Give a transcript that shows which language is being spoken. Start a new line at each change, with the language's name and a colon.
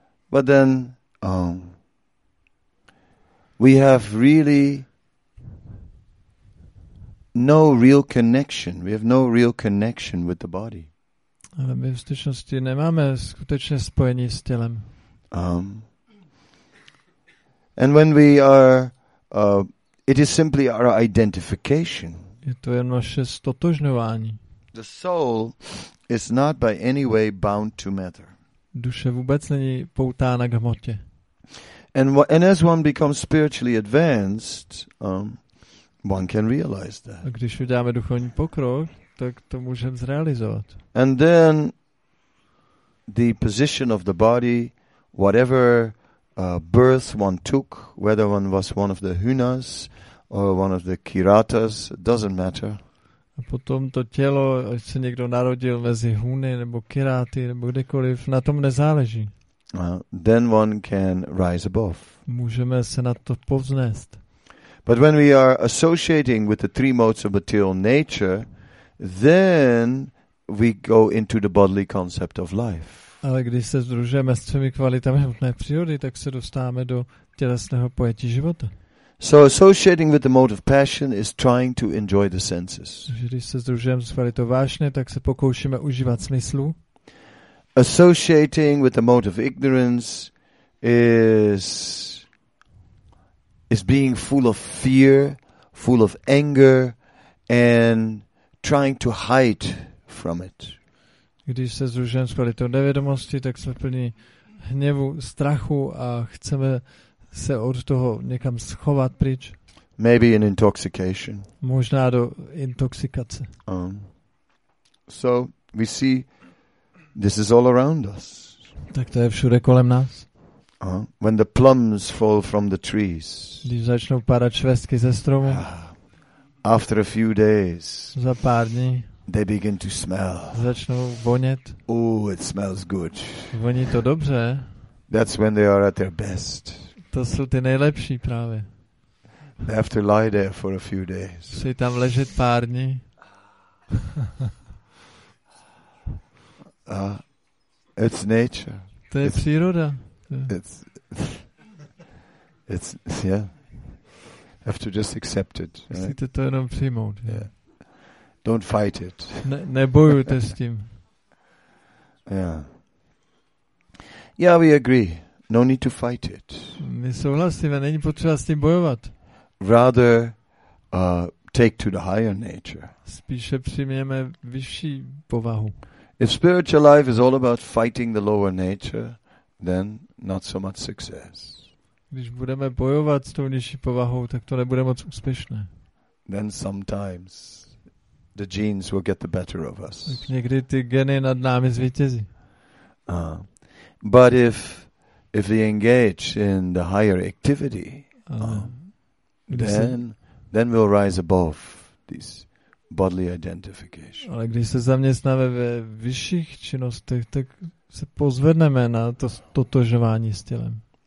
English: But then we have really no real connection. We have no real connection with the body.
Czech: Ale my v skutečnosti nemáme skutečné spojení s tělem.
English: And when we are, it is simply our identification.
Czech: Je to jen naše stotožňování.
English: The soul is not by any way bound to matter.
Czech: Duše vůbec není poutána k hmotě.
English: And as one becomes spiritually advanced, one can realize that.
Czech: A když uděláme duchovní pokrok, tak to můžeme zrealizovat.
English: And then the position of the body, whatever birth one took, whether one was one of the Hunas or one of the Kiratas, doesn't matter.
Czech: A potom to tělo, ať se někdo narodil mezi Huny nebo Kiráty nebo kdekoliv, na tom nezáleží.
English: Then one can rise above.
Czech: Můžeme se na to povznést.
English: But when we are associating with the three modes of material nature, then we go into the bodily concept of life.
Czech: Ale když se združujeme s třemi kvalitami hmotné přírody, tak se dostáváme do tělesného pojetí života.
English: So associating with the mode of passion is trying to enjoy the senses.
Czech: Když se združujeme s kvalitou vášně, tak se pokoušíme užívat smyslu.
English: Associating with the mode of ignorance is being full of fear, full of anger, and trying to hide from it.
Czech: Když se združujeme s kvalitou nevědomosti, tak jsme plní hněvu, strachu a chceme se od toho někam schovat pryč.
English: Maybe an intoxication.
Czech: Možná do intoxikace.
English: So we see this is all around us.
Czech: Tak to je všude kolem nás.
English: When the plums fall from the trees.
Czech: Když začnou padat švestky ze stromu.
English: After a few days.
Czech: Za pár dní.
English: They begin to smell.
Czech: Začnou vonět.
English: Oh, it smells good.
Czech: Voní to dobře.
English: That's when they are at their best.
Czech: To jsou ty nejlepší právě.
English: They have to lie there for a few days.
Czech: Musí tam ležet pár dní.
English: It's nature.
Czech: To je příroda.
English: It's yeah. Have to just accept it.
Czech: Musíte to jenom přijmout.
English: Yeah. Don't fight it.
Czech: Nebojujte s tím.
English: Yeah, we agree. No need to fight it.
Czech: My souhlasíme, není potřeba s tím bojovat.
English: Rather, take to the higher nature.
Czech: Spíše přijměme vyšší povahu.
English: If spiritual life is all about fighting the lower nature, then not so much success.
Czech: Když budeme bojovat s tou nižší povahou, tak to nebude moc úspěšné.
English: Then sometimes the genes will get the better of us.
Czech: Někdy ty geny nad námi zvítězí.
English: But if we engage in the higher activity, then we'll rise above this bodily identification.
Czech: Ale když se zaměstnáme ve vyšších činnostech, tak se pozvedneme na to totožování s tělem.